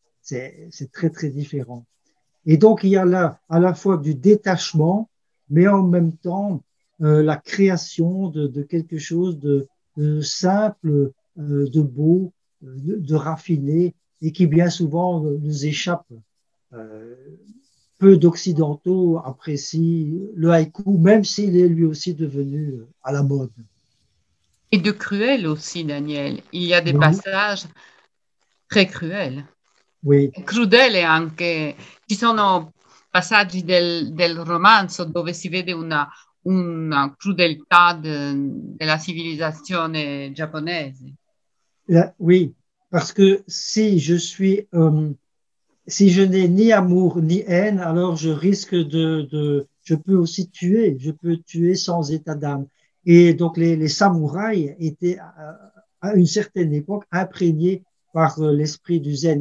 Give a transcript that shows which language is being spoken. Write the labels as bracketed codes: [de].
[fr] C'est très, très différent. Et donc, il y a là à la fois du détachement, mais en même temps, la création de quelque chose de simple, de beau, de raffiné, et qui bien souvent nous échappe. Peu d'Occidentaux apprécient le haïku, même s'il est lui aussi devenu à la mode. Et de cruel aussi, Daniel. Il y a des passages très cruels. Oui. [it] Crudele anche. Ci sono passaggi del romanzo dove si vede una crudeltà della civilizzazione giapponese. [fr] Oui, parce que si je suis... Si je n'ai ni amour ni haine, alors je risque je peux aussi tuer, je peux tuer sans état d'âme. Et donc les samouraïs étaient à une certaine époque imprégnés par l'esprit du zen.